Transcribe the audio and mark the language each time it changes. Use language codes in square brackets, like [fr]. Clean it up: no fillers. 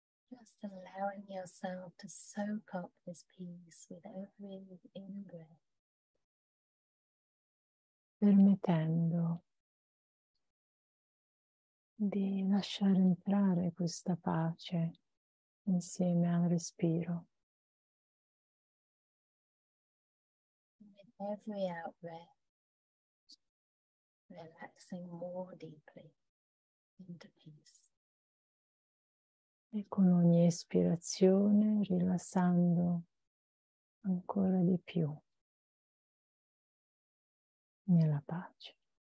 [en] just allowing yourself to soak up this peace with every in-breath. [it] Permettendo di lasciare entrare questa pace insieme al respiro. [en] With every out-breath, relaxing more deeply into peace. [it] E con ogni espirazione rilassando ancora di più nella pace.